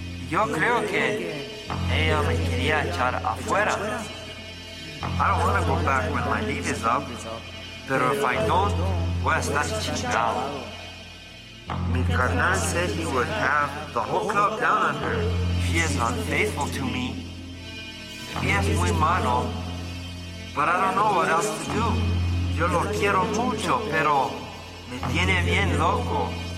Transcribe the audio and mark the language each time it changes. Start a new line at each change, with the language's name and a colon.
Spanish: Yo creo que ella me quería echar afuera.
English: I don't want to go back when my leave is up.
Spanish: Pero
English: if I don't,
Spanish: voy a estar chingado. Mi carnal
English: said he would have the whole club down on her if she is unfaithful to me.
Spanish: Y es muy malo.
English: But I don't know what else to do.
Spanish: Yo lo quiero mucho, pero me tiene bien loco.